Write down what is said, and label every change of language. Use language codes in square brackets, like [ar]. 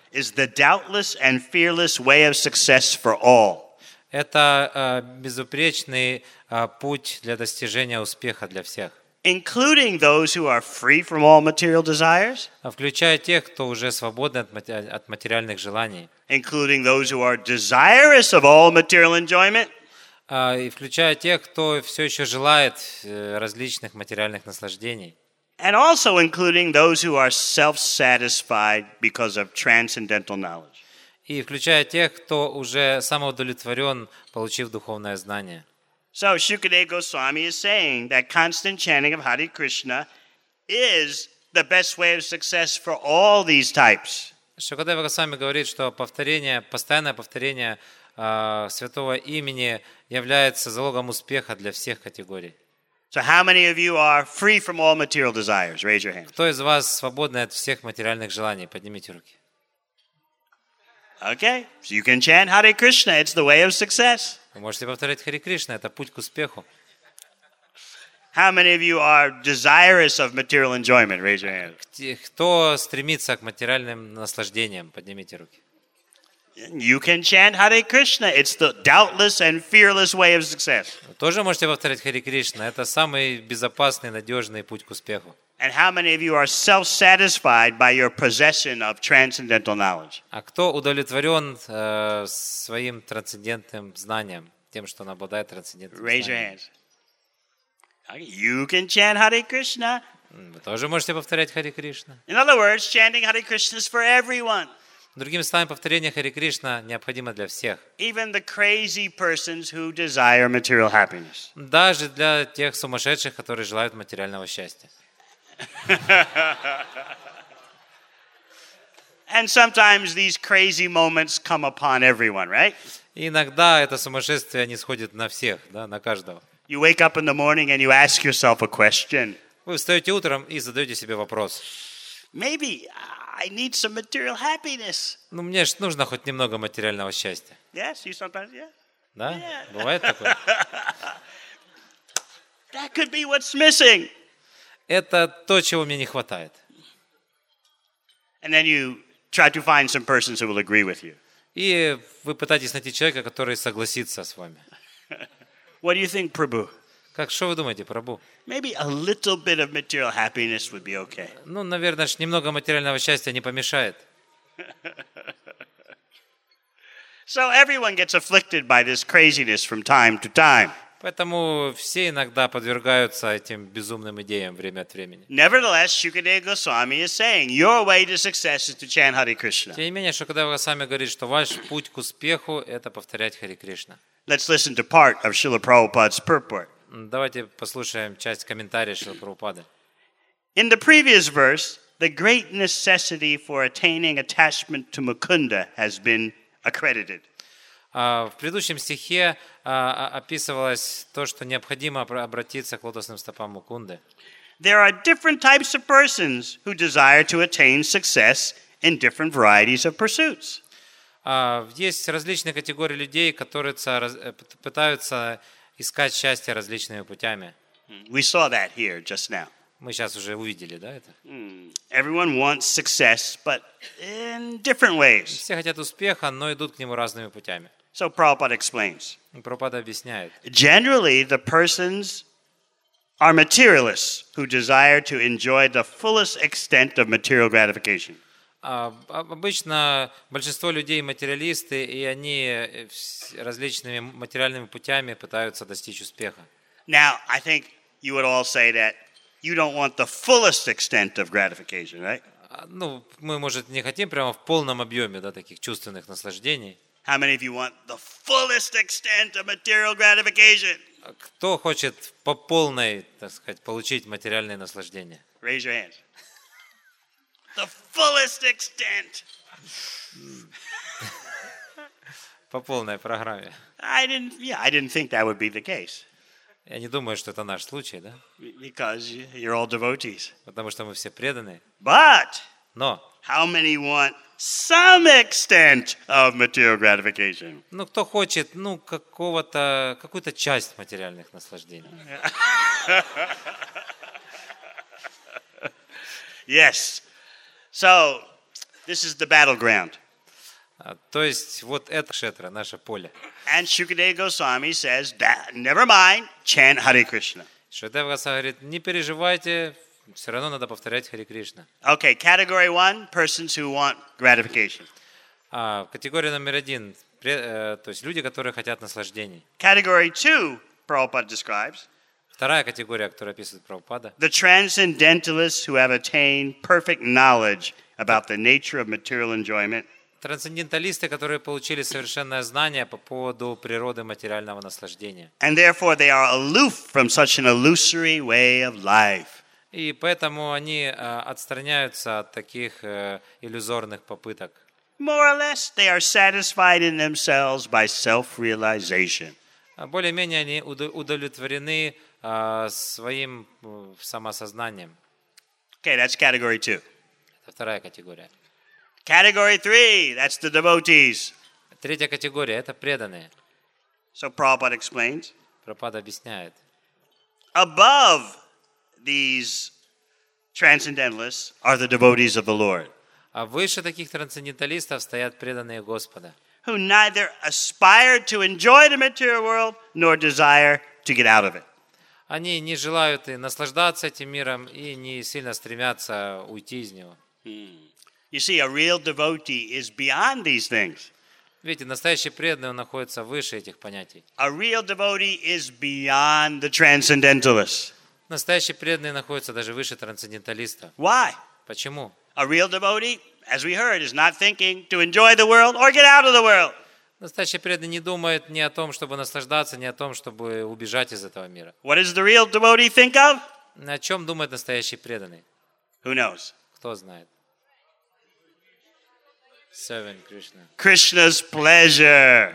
[en] is the doubtless and fearless way of success for all. [ru] Это безупречный путь для достижения успеха для всех. [en] Including those who are free from all material desires. [ru] Включая тех, кто уже свободен от материальных желаний. [en] Including those who are desirous of all material enjoyment. [ru] И включая тех, кто все еще желает различных материальных наслаждений. [en] And also including those who are self-satisfied because of transcendental knowledge. [ru] И включая тех, кто уже самоудовлетворен, получив духовное знание. [en] So Shukadeva Goswami is saying that constant chanting of Hare Krishna is the best way of success for all these types. [ru] Шукадева Госвами говорит, что повторение, постоянное повторение святого имени является залогом успеха для всех категорий. [en] So how many of you are free from all material desires? Raise your hand. [ru] Кто из вас свободен от всех материальных желаний? Поднимите руки. [en] Okay. So you can chant Hare Krishna. It's the way of success. [ru] Вы можете повторять Хари Кришна. Это путь к успеху. [en] How many of you are desirous of material enjoyment? Raise your hand. [ru] Кто стремится к материальным наслаждениям? Поднимите руки. [en] You can chant Hare Krishna. It's the doubtless and fearless way of success. [ru] Тоже можете повторять Хари Кришна. Это самый безопасный, надежный путь к успеху. [en] And how many of you are self-satisfied by your possession of transcendental knowledge? [ru] А кто удовлетворен своим трансцендентным знанием, тем, что он обладает трансцендентным знанием? [en] Raise your hands. You can chant Hare Krishna. [ru] Вы тоже можете повторять Хари Кришна. [en] In other words, chanting Hare Krishna is for everyone. [ru] Другими словами, повторение Хари Кришна необходимо для всех. [en] Even the crazy persons who desire material happiness. [ru] Даже для тех сумасшедших, которые желают материального счастья. [en] And sometimes these crazy moments come upon everyone, right? [ru] Иногда это сумасшествие нисходит на всех, да, на каждого. [en] You wake up in the morning and you ask yourself a question. [ru] Вы встаете утром и задаете себе вопрос. [en] Maybe I need some material happiness. [ru] Ну, мне же нужно хоть немного материального счастья. [en] Yes, you sometimes, yeah. [ru] Да? [en] Yeah. [ru] Бывает такое? [en] That could be what's missing. [ru] Это то, чего мне не хватает. [en] And then you try to find some persons who will agree with you. [ru] И вы пытаетесь найти человека, который согласится с вами. [en] What do you think, Prabhu? [ru] Как, что вы думаете, Прабу? [en] Maybe a little bit of material happiness would be okay. [ru] Ну, наверное, немного материального счастья не помешает. [en] So everyone gets afflicted by this craziness from time to time. [ru] Поэтому все иногда подвергаются этим безумным идеям время от времени. [en] Nevertheless, Shukadeva Goswami is saying, your way to success is to chant Hare Krishna. [ru] Тем не менее, Шукадева Госвами говорит, что ваш путь к успеху – это повторять Хари Кришна. [en] Let's listen to part of Srila Prabhupada's purport. [ru] Давайте послушаем часть комментария Шрилы Прабхупады. [en] In the previous verse, the great necessity for attaining attachment to Mukunda has been accredited. [ru] В предыдущем стихе описывалось то, что необходимо обратиться к лотосным стопам Мукунды. [en] There are different types of persons who desire to attain success in different varieties of pursuits. [ru] Есть различные категории людей, которые пытаются искать счастье различными путями. [en] We saw that here just now. [ru] Мы сейчас уже увидели, да, это? [en] Everyone wants success, but in different ways. [ru] Все хотят успеха, но идут к нему разными путями. [en] So Prabhupada explains. [ru] Прабхупада объясняет. [en] Generally, the persons are materialists who desire to enjoy the fullest extent of material gratification. [ru] Обычно большинство людей материалисты, и они различными материальными путями пытаются достичь успеха. [en] Now, I think you would all say that you don't want the fullest extent of gratification, right? [ru] Ну, мы, может, не хотим прямо в полном объеме, да, таких чувственных наслаждений. [en] How many of you want the fullest extent of material gratification? [ru] Кто хочет по полной, так сказать, получить материальное наслаждение? [en] Raise your hands. The fullest extent. [ru] По полной программе. [en] I didn't think that would be the case. [ru] Я не думаю, что это наш случай, да? [en] Because you're all devotees. [ru] Потому что мы все преданные. [en] But. [ru] Но. [en] How many want some extent of material gratification? [ru] Ну, кто хочет, ну, какого-то, какую-то часть материальных наслаждений. [en] Yes. So, this is the battleground. [ru] То есть, вот это кшетра, наше поле. [en] And Shukadeva Goswami says, never mind, chant Hare Krishna. [ru] Шукадева Госвами говорит, не переживайте, все равно надо повторять Хари Кришна. [en] Okay, category one, persons who want gratification. [ru] Категория номер один, то есть люди, которые хотят наслаждений. [en] Category two, Prabhupada describes. [ru] Вторая категория, которую описывает Прабхупада. [en] The transcendentalists who have attained perfect knowledge about the nature of material enjoyment. [ru] Трансценденталисты, которые получили совершенное знание по поводу природы материального наслаждения. [en] And therefore they are aloof from such an illusory way of life. [ru] И поэтому они отстраняются от таких иллюзорных попыток. [en] More or less, they are satisfied in themselves by self-realization. [ru] Более-менее они удовлетворены своим самосознанием. [en] Okay, that's category two. [ru] Это вторая категория. [en] Category three, that's the devotees. [ru] Третья категория – это преданные. [en] So Prabhupada explains. [ru] Прабхупада объясняет. [en] Above these transcendentalists are the devotees of the Lord. [ru] А выше таких трансценденталистов стоят преданные Господа. [en] Who neither aspire to enjoy the material world nor desire to get out of it. [ru] Они не желают и наслаждаться этим миром, и не сильно стремятся уйти из него. [en] You see, a real devotee is beyond these things. [ru] Видите, настоящий преданный, он находится выше этих понятий. [en] A real devotee is beyond the transcendentalists. [ru] Настоящий преданный находится даже выше трансценденталиста. [en] Why? [ru] Почему? [en] A real devotee, as we heard, is not thinking to enjoy the world or get out of the world. [ru] Настоящий преданный не думает ни о том, чтобы наслаждаться, ни о том, чтобы убежать из этого мира. [en] What does the real devotee think of? [ru] О чем думает настоящий преданный? [en] Who knows? [ru] Кто знает? [en] Seven Krishna. Krishna's pleasure.